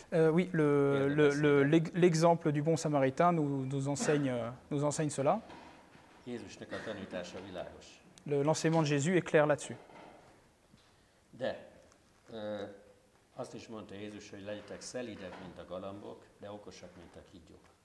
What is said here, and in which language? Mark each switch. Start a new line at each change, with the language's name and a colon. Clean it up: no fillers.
French: Oui, l'exemple du bon samaritain nous enseigne cela.
Hungarian: Jézusnak a tanítása világos.
French: L'enseignement de Jésus est clair là-dessus.
Hungarian: De, azt is mondta Jézus, hogy legyetek szelidek, mint a galambok, de okosak, mint a kígyók.